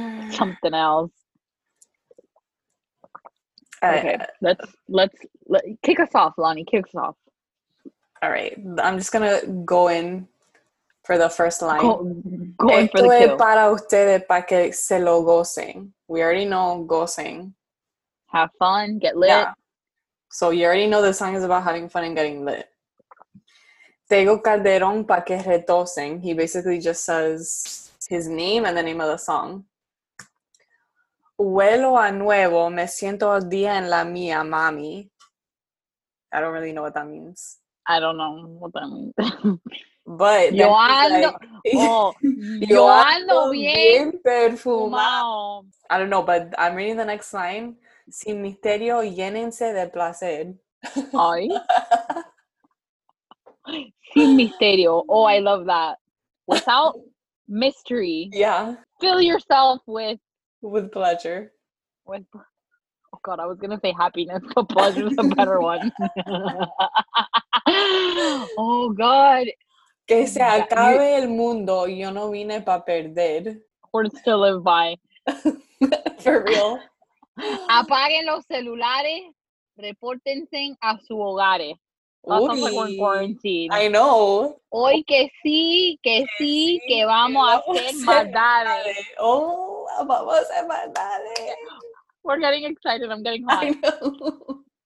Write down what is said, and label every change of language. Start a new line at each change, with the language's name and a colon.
English: Something else. Okay, let's kick us off, Lonnie. Kick us off. All right. I'm just going to go in for the first line. Going for the kill.
Spanish: Esto es para ustedes para que se lo gocen.
English: We already know gocen. Have fun, get lit. Yeah. So you already know the song is about having fun and getting lit. Tego Calderón
Spanish: pa que retosen.
English: He basically just says his name and the name of the song.
Spanish: Vuelo a nuevo, me siento al día en la mía, mami.
English: I don't really know what that means. I don't know what that means. But
Spanish: yo ando, bien perfumado.
English: I don't know, but I'm reading the next line.
Spanish: Sin misterio, llénense de placer. Ay. Sin misterio.
English: Oh, I love that. Without mystery. Yeah. Fill yourself with... With pleasure. With... Oh, God, I was going to say happiness, but pleasure is a better one. Oh, God.
Spanish: Que se acabe el mundo, yo no vine pa perder.
English: Words to live by. For real.
Spanish: Apaguen los celulares, repórtense a su hogares. Uy,
English: quarantine. I know.
Spanish: Hoy que sí, sí que vamos a hacer maldades. Oh, vamos a hacer maldades.
English: We're getting excited, I'm getting hot. I know.